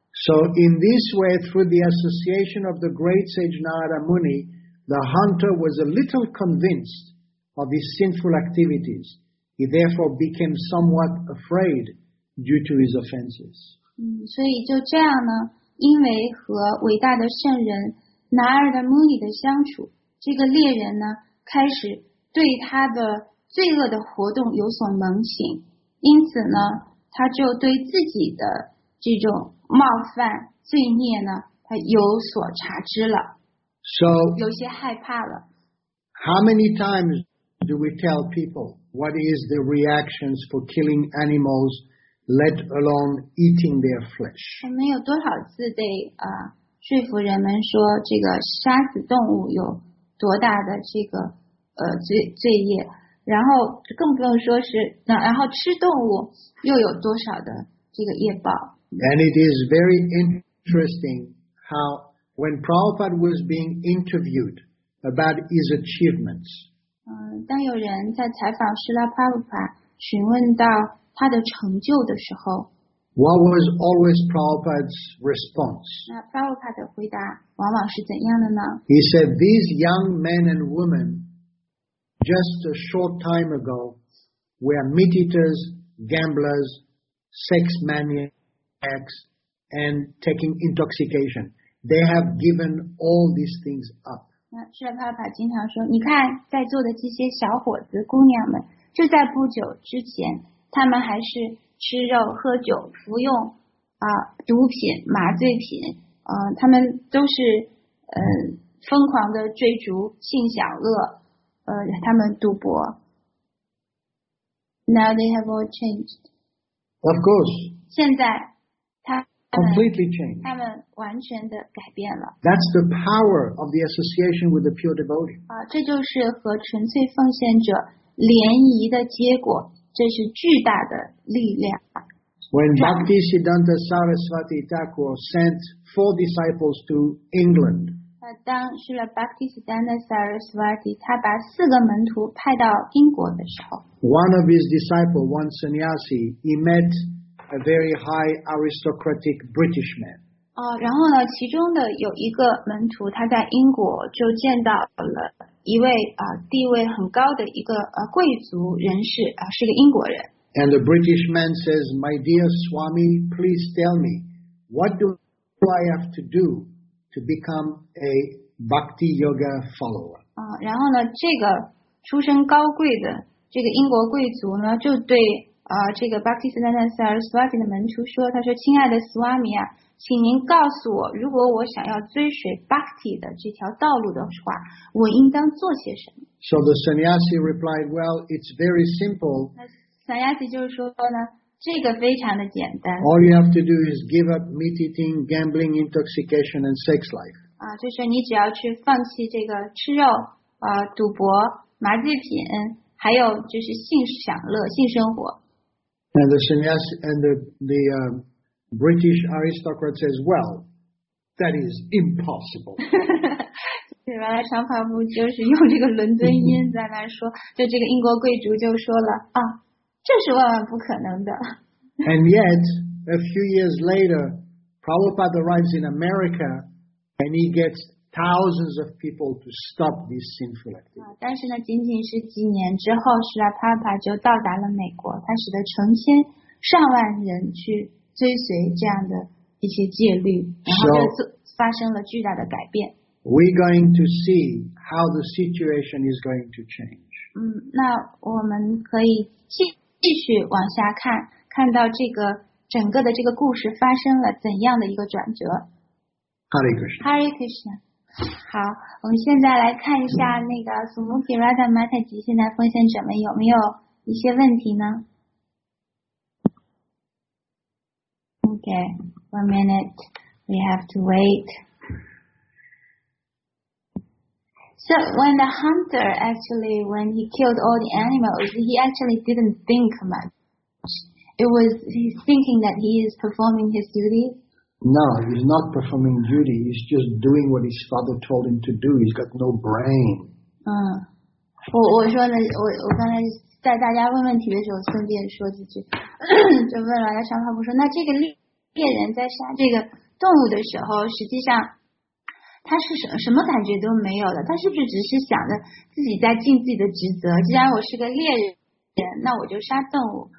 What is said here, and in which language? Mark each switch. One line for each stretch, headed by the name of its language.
English: So in this way, through the association of the great sage Narada Muni, the hunter was a little convinced of his sinful activities. He therefore became somewhat afraid due to his offenses.
Chinese: 所以就这样呢，因为和伟大的圣人拿尔达穆尼的相处，这个猎人呢开始对他的罪恶的活动有所萌醒，因此呢他就对自己的这种冒犯罪孽呢他有所察知了。
English: So,
Chinese: 有些害怕了。
English: How many times do we tell people what is the reactions for killing animals, let alone eating their flesh?
Chinese: 我们有多少次得说服人们说这个杀死动物有多大的这个罪业，然后更不用说是那然后吃动物又有多少的这个业报。
English: And it is very interesting how when Prabhupada was being interviewed about his achievements,
Chinese: 当有人在采访施拉帕布帕询问到他的成就的时候，
English: What was always Prabhupada's response?
Chinese: 那 Prabhupada 的回答往往是怎样的呢？
English: He said, these young men and women just a short time ago were meat eaters, gamblers, sex maniacs, and taking intoxication. They have given all these things up.
Chinese: 那施拉帕布帕经常说，你看在座的这些小伙子姑娘们，就在不久之前他们还是吃肉喝酒服用毒品麻醉品，他们都是疯狂的追逐性享乐，他们赌博。
English: Now they have all changed. Of course.
Chinese: 现在他们
English: completely changed.
Chinese: 他们完全的改变了。
English: That's the power of the association with the pure devotee.
Chinese: 这就是和纯粹奉献者联谊的结果，这是巨大的力量。
English: When Bhakti Siddhanta Saraswati Thakur sent 4 disciples to England,
Chinese: 当是了 Bhakti Siddhanta Saraswati 他把四个门徒派到英国的时候，
English: One of his disciples, one sannyasi, he met a very high aristocratic British man.
Chinese: 然后呢，其中的有一个门徒他在英国就见到了一位地位很高的一个贵族人士，是个英国人。
English: And the British man says, My dear Swami, please tell me, what do I have to do to become a Bhakti Yoga follower?
Chinese: 然后呢，这个出身高贵的这个英国贵族呢，就对这个 Bhakti Siddhanta Saraswati 的门徒说，他说，亲爱的 Swami 啊，请您告诉我，如果我想要追随 Bhakti 的这条道路的话，我应当做些什么？
English: So the sannyasi replied, well, it's very simple.
Chinese: Sannyasi 就是说呢，这个非常的简单。
English: All you have to do is give up meat eating, gambling, intoxication, and sex life.
Chinese: 就是你只要去放弃这个吃肉、赌博、麻醉品，还有就是性享乐、性生活。
English: And the sannyasi and the British aristocrat says, "Well, that is impossible."
Chinese: 对，原来长发布就是用这个伦敦音在那说，就这个英国贵族就说了啊，这是万万不可能的。
English: And yet, a few years later, Prabhupada arrives in America, and he gets thousands of people to stop this sinful activity.
Chinese: 但是呢，仅仅是几年之后，是啊，帕帕就到达了美国，他使得成千上万人去追随这样的一些戒律，然后就发生了巨大的改变。
English: We're going to see how the situation is going to change.
Chinese: 那我们可以继续往下看。看到这个整个的这个故事发生了怎样的一个转折？Hare Krishna。 Hare Krishna。 好，我们现在来看一下那个 Sumukhi Radha Mataji 现在奉献者们有没有一些问题呢 ？
English: Okay, one minute. We have to wait. So when the hunter actually, when he killed all the animals, he actually didn't think much. It was he's thinking that he is performing his duty. No, he's not performing duty. He's just doing what his father told him to do. He's got no brain.
Chinese: 我刚才在大家问问题的时候，顺便说几句，就问了上方不说。那这个猎人在杀这个动物的时候，实际上他是什么感觉都没有的。他是不是只是想着自己在尽自己的职责？既然我是个猎人，那我就杀动物。